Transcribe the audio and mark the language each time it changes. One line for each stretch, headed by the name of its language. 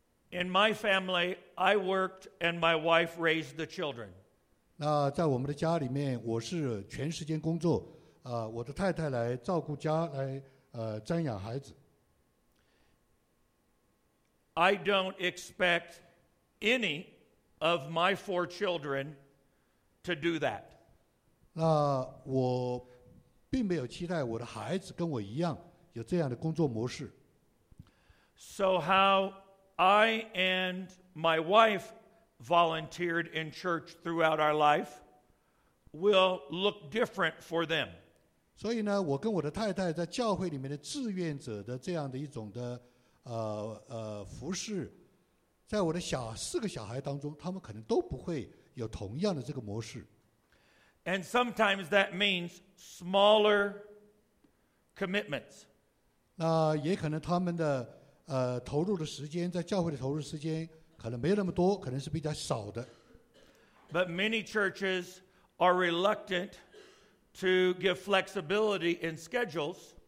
English: In my family, I worked and my wife raised the children.
Chinese: 那在我们的家里面，我是全时间工作，我的太太来照顾家，来瞻养孩子。
English: I don't expect any of my four children to do that.
Chinese: 那我并没有期待我的孩子跟我一样有这样的工作模式。
English: So how I and my wife volunteered in church throughout our life will look different for them.
Chinese: 所以呢，我跟我的太太在教会里面的志愿者的这样的一种的服侍，在我的四个小孩当中，他们可能都不会有同样的这个模式。
English: And sometimes that means smaller commitments.
Chinese: 那也可能他们的投入的时间，在教会的投入时间可能没有那么多，可能是比较少的。
English: But many churches are reluctant to give flexibility in schedules.